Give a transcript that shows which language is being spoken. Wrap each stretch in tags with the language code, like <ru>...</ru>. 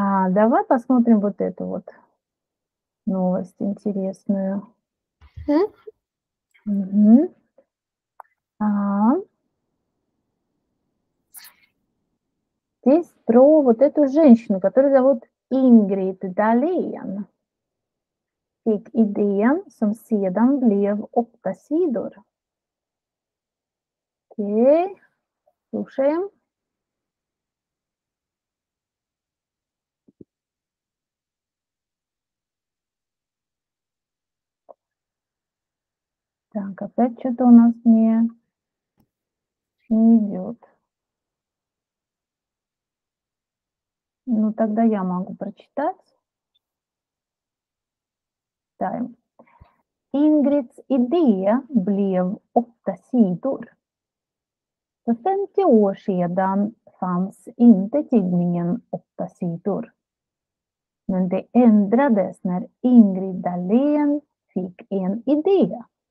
<ru>давай посмотрим вот эту вот новость интересную. Здесь про вот эту женщину, которую зовут Ингрид Далейн.</ru> <sv>Fick idén som sedan blev åtta sidor.</sv> <ru>Okej, slушаем. Так, опять что-то у нас не идет. Ну, тогда я могу прочитать. Да.</ru> <sv>Ingrids idé blev åtta sidor. För 50 år sedan fanns inte tidningen åtta sidor. Men det ändrades när Ingrid Dahlén fick en idé.</sv>